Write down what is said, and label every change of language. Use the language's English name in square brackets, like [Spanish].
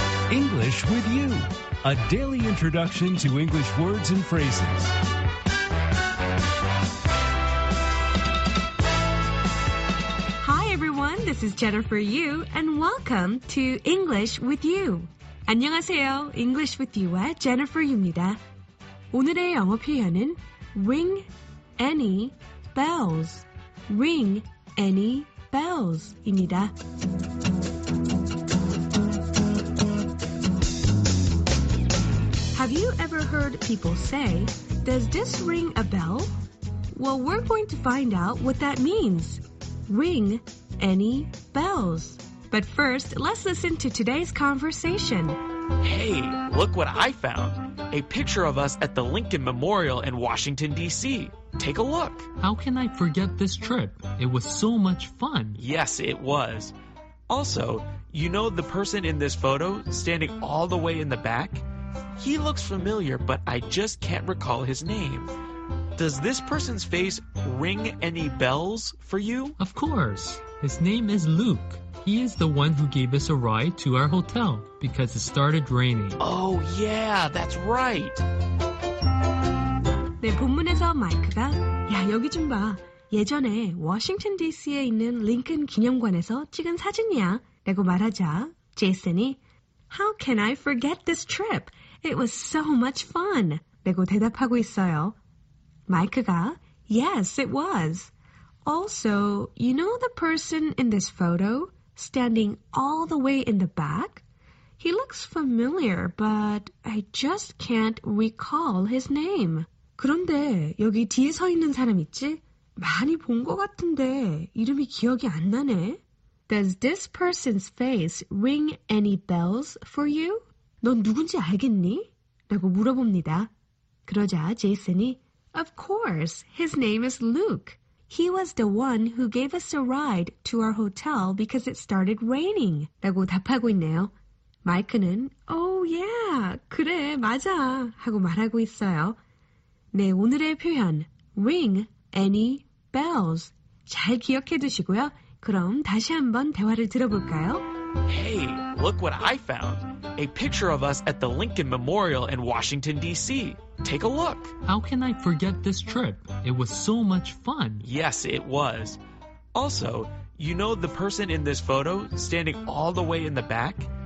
[English] English with you, a daily introduction to English words and phrases. This is Jennifer Yu, and welcome to English with You. [Korean] 안녕하세요. English with You와 Jennifer Yu입니다. 오늘의 영어 표현은 Ring any bells. [English] Ring any bells입니다. 'Have you ever heard people say, does this ring a bell? Well, we're going to find out what that means. Ring any bells. But first, let's listen to today's conversation. Hey, look what I found. A picture of us at the Lincoln Memorial in Washington, D.C. Take a look. How can I forget this trip? It was so much fun. Yes, it was. Also, you know the person in this photo standing all the way in the back? He looks familiar, but I just can't recall his name. Does this person's face ring any bells for you? Of course. His name is Luke. He is the one who gave us a ride to our hotel because it started raining. Oh, yeah, that's right. [Korean] 네, 본문에서 마이크가 야, 여기 좀 봐. 예전에 워싱턴 DC에 있는 링컨 기념관에서 찍은 사진이야. 라고 말하자 제이슨이 [English] How can I forget this trip? It was so much fun. [Korean] 라고 대답하고 있어요. 마이크가 [English] Yes, it was. Also, you know the person in this photo standing all the way in the back? He looks familiar, but I just can't recall his name. [Korean] 그런데 여기 뒤에 서 있는 사람 있지? 많이 본 것 같은데 이름이 기억이 안 나네. [English] Does this person's face ring any bells for you? [Korean] 넌 누군지 알겠니? 라고 물어봅니다. 그러자 제이슨이 [English] Of course, his name is Luke. He was the one who gave us a ride to our hotel because it started raining. [Korean] 라고 답하고 있네요. 마이크는 [English] Oh yeah, [Korean] 그래, 맞아 하고 말하고 있어요. 네, 오늘의 표현 Ring any bells. 잘 기억해 두시고요. 그럼 다시 한번 대화를 들어볼까요? [English] Hey, look what I found. A picture of us at the Lincoln Memorial in Washington, D.C. Take a look. How can I forget this trip? It was so much fun. Yes, it was. Also, you know the person in this photo standing all the way in the back?